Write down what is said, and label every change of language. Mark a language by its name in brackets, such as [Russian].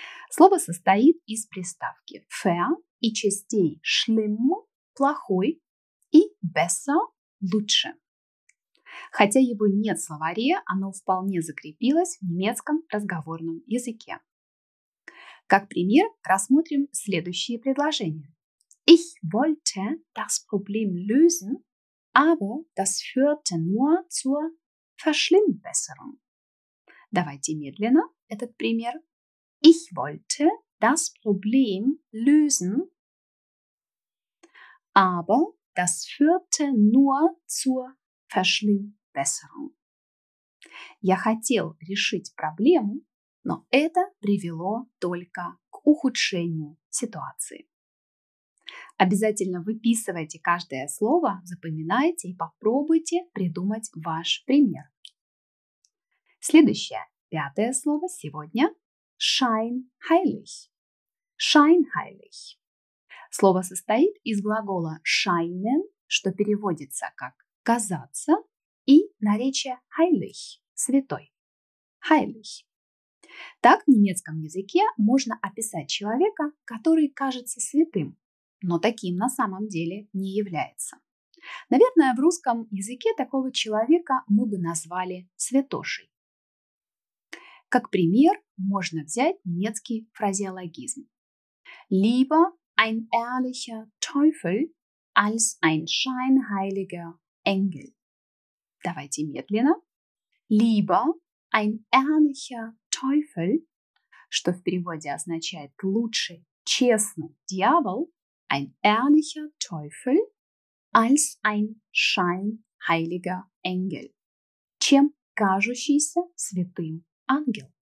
[Russian] Слово состоит из приставки ver и частей schlimm – плохой и besser – лучше. Хотя его нет в словаре, оно вполне закрепилось в немецком разговорном языке. Как пример рассмотрим следующие предложения. [German] Ich wollte das Problem lösen, aber das führte nur zur Verschlimmbesserung. [Russian] Давайте медленно этот пример. [German] Ich wollte das Problem lösen, aber das führte nur zur Verschlimmbesserung. [Russian] Я хотел решить проблему, но это привело только к ухудшению ситуации. Обязательно выписывайте каждое слово, запоминайте и попробуйте придумать ваш пример. Следующее, пятое слово сегодня. [German] Scheinheilig. Scheinheilig. [Russian] Слово состоит из глагола scheinen, что переводится как казаться, и наречие heilig, святой. [German] Heilig. [Russian] Так в немецком языке можно описать человека, который кажется святым, но таким на самом деле не является. Наверное, в русском языке такого человека мы бы назвали святошей. Как пример можно взять немецкий фразеологизм. [German] Lieber ein ehrlicher Teufel als ein scheinheiliger Engel. [Russian] Давайте медленно. [German] Lieber ein ehrlicher Teufel, [Russian] что в переводе означает лучше честный дьявол, [German] ein ehrlicher Teufel als ein scheinheiliger Engel, [Russian] чем кажущийся святым ангел.